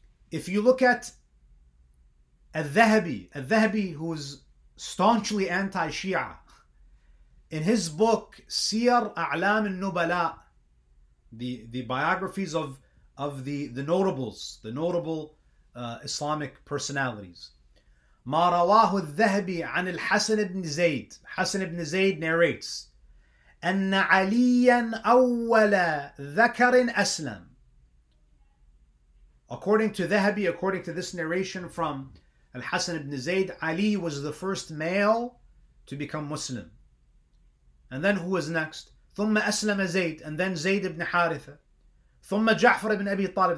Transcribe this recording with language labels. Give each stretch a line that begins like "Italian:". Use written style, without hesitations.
English: If you look at Al-Dhahabi, who is staunchly anti-Shia, in his book, Sir A'lam al-Nubala, the biographies of the notables, the notable Islamic personalities,
Arabic: ما رواه الذهبي عن الحسن بن زيد. حسن بن زيد
English: narrates
Arabic: أن عليا أول ذكر أسلم.
English: According to Dhahabi, according to this narration from Al-Hasan ibn Zayd, Ali was the first male to become Muslim. And then who was next?
Arabic: ثُمَّ أَسْلَمَ زَيْدٌ.
English: And then Zayd ibn Haritha.
Arabic: ثُمَّ جَعْفَرَ ibn Abi Talib.